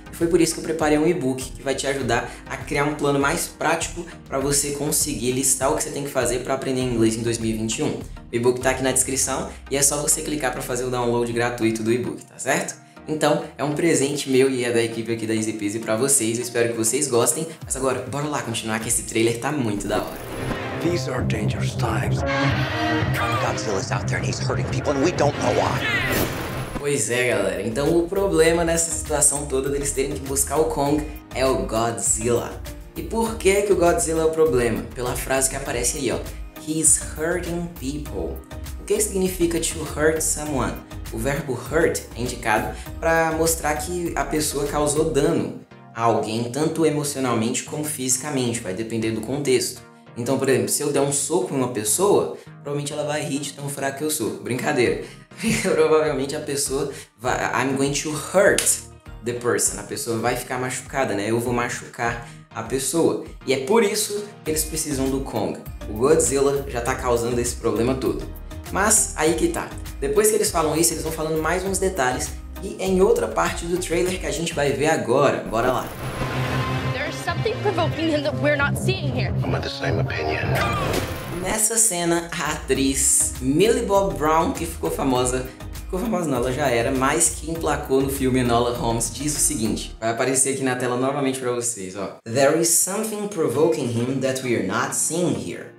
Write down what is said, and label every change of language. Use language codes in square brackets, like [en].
[pt] Foi por isso que eu preparei um e-book que vai te ajudar a criar um plano mais prático para você conseguir listar o que você tem que fazer para aprender inglês em 2021. O e-book tá aqui na descrição e é só você clicar para fazer o download gratuito do e-book, tá certo? Então, é um presente meu e é da equipe aqui da EasyPeasy pra vocês. Eu espero que vocês gostem. Mas agora, bora lá continuar que esse trailer tá muito da hora. [en] These are dangerous times. Godzilla's out there and he's hurting people and we don't know why. [pt] Pois é, galera. Então o problema nessa situação toda deles terem que buscar o Kong é o Godzilla. E por que que o Godzilla é o problema? Pela frase que aparece aí, ó. [en] He's hurting people. [pt] O que significa [en] to hurt someone? [pt] O verbo hurt é indicado para mostrar que a pessoa causou dano a alguém, tanto emocionalmente como fisicamente, vai depender do contexto. Então, por exemplo, se eu der um soco em uma pessoa, provavelmente ela vai rir de tão fraco que eu sou. Brincadeira. Provavelmente a pessoa vai... [en] I'm going to hurt the person. [pt] A pessoa vai ficar machucada, né? Eu vou machucar a pessoa. E é por isso que eles precisam do Kong. O Godzilla já tá causando esse problema todo. Mas aí que tá. Depois que eles falam isso, eles vão falando mais uns detalhes e é em outra parte do trailer que a gente vai ver agora. Bora lá. [en] There's something provoking him that we're not seeing here. I'm of the same opinion. [pt] Nessa cena, a atriz Millie Bobby Brown, que ficou famosa, não, ela já era, mas que emplacou no filme Enola Holmes, diz o seguinte. Vai aparecer aqui na tela novamente pra vocês, ó. [en] There is something provoking him that we are not seeing here.